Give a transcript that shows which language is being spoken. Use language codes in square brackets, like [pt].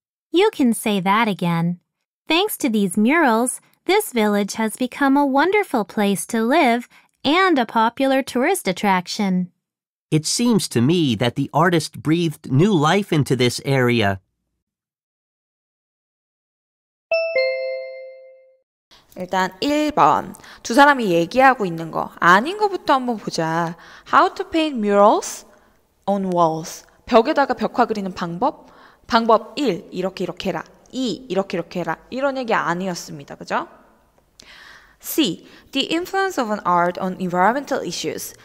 [en] You can say that again. Thanks to these murals, this village has become a wonderful place to live and a popular tourist attraction. It seems to me that the artist breathed new life into this area. [ko] 일단 1번, 두 사람이 얘기하고 있는 거 아닌 거부터 한번 보자. [en] How to paint murals on walls. [ko] 벽에다가 벽화 그리는 방법? 방법 1, 이렇게 이렇게 해라. 2, 이렇게 이렇게 해라. 이런 얘기 아니었습니다. 그죠? [en] C, the influence of an art on environmental issues.